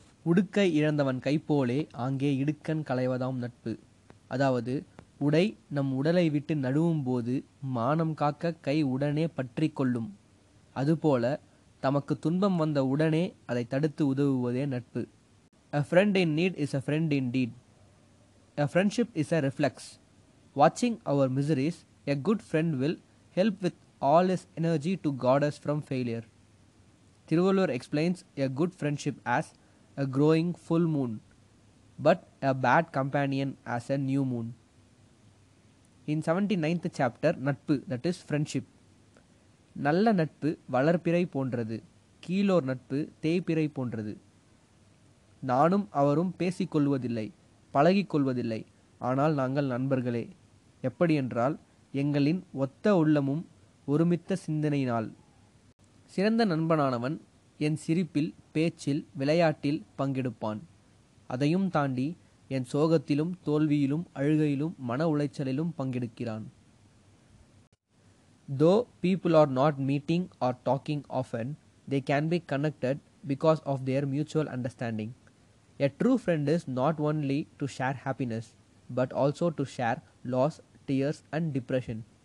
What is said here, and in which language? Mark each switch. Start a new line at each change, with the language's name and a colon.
Tamil: உடுக்கை இழந்தவன் கைப்போலே அங்கே இடுக்கன் களைவதாம் நட்பு. அதாவது, உடை நம் உடலை விட்டு நழுவும் போது மானம் காக்க கை உடனே பற்றி கொள்ளும். அதுபோல தமக்கு துன்பம் வந்த உடனே அதை தடுத்து உதவுவதே நட்பு.
English: A friend in need is a friend indeed. A friendship is a reflex. Watching our miseries, a good friend will help with all his energy to guard us from failure. Thiruvalluvar explains a good friendship as a growing full moon, but a bad companion as a new moon. In 79th chapter, Natpu, that is friendship.
Tamil: Nalla natpu valarpirai pondrathu, keelor natpu theypirai pondrathu. நானும் அவரும் பேசிக்கொள்வதில்லை, பழகி கொள்வதில்லை, ஆனால் நாங்கள் நண்பர்களே. எப்படியென்றால், எங்களின் ஒத்த உள்ளமும் ஒருமித்த சிந்தனையினால். சிறந்த நண்பனானவன் என் சிரிப்பில், பேச்சில், விளையாட்டில் பங்கெடுப்பான். அதையும் தாண்டி என் சோகத்திலும், தோல்வியிலும், அழுகையிலும், மன உளைச்சலிலும் பங்கெடுக்கிறான்.
English: Though people are not meeting or talking often, they can be connected because of their mutual understanding. A true friend is not only to share happiness, but also to share loss, tears and depression.